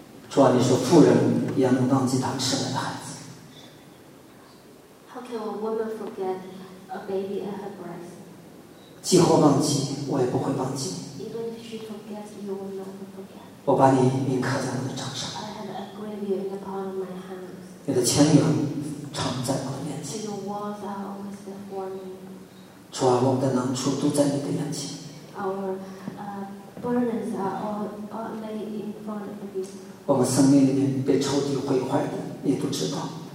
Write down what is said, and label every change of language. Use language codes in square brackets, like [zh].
[zh] 主啊，你说妇人也能忘记她吃奶的孩子。 [en] How can a woman forget a baby at her breast? [zh] 即或忘记，我也不会忘记。 [en] Even if she forgets, you will not forget. [zh] 我把你铭刻在我的掌上。 [en] I have engraved you in the palm of my hands. [zh] 你的前缘常在我的面前。 [en] Your walls are always before me. [zh] 主啊，我们的难处都在你的眼前。 [en] Our burdens are all laid in front of you. [zh] 我们生命里面被仇敌毁坏的，你都知道。